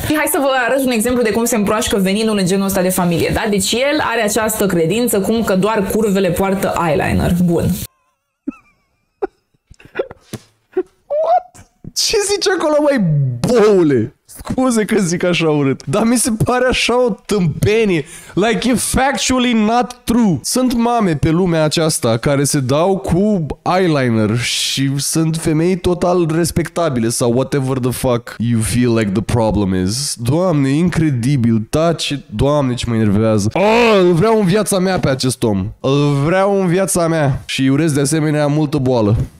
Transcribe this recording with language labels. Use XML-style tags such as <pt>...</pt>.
<ro>Și hai să vă arăt un exemplu de cum se împroașcă veninul în genul ăsta de familie, da? Deci el are această credință cum că doar curvele poartă eyeliner. Bun. What? Ce zice acolo, mai boule? Scuze că zic așa urât, dar mi se pare așa o tâmpenie.</ro> <en>Like, it's factually not true.</en> <ro>Sunt mame pe lumea aceasta care se dau cu eyeliner și sunt femei total respectabile sau</ro> <en>whatever the fuck you feel like the problem is.</en> <ro>Doamne, incredibil, taci. Doamne, ce mă enervează. Oh, îl vreau în viața mea pe acest om. Îl vreau în viața mea și urez de asemenea multă boală.</ro>